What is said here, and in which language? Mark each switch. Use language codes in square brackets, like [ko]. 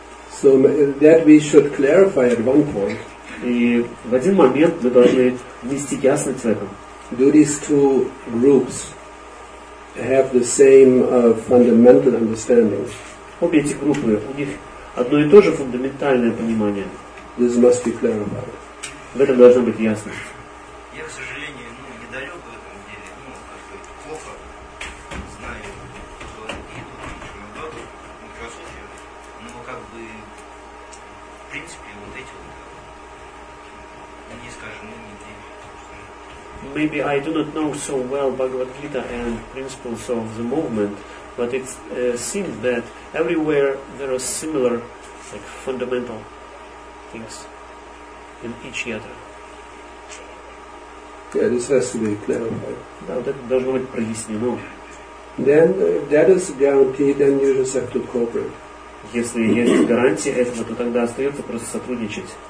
[en] So that we should clarify at one point. [ru] И в один момент мы должны внести ясность в этом. [en] Do these two groups have the same fundamental understanding? [ru] Обе эти группы, у них одно и то же фундаментальное понимание. [en] This must be clarified. [ru] В этом должно быть ясность. Я, к сожалению, недалек в этом деле. Плохо знаю, что и тут, и принципе, вот эти вот, не скажем, не те. [en] Maybe I do not know so well Bhagavad Gita and principles of the movement, but it seems that everywhere there are similar, like, fundamental things in each yatra. Yeah, this has to be clarified. Now, that [ru] должно быть прояснено. [en] Then that is guaranteed, then you just have to cooperate. [ru] Если есть гарантия этого, то тогда остается просто сотрудничать.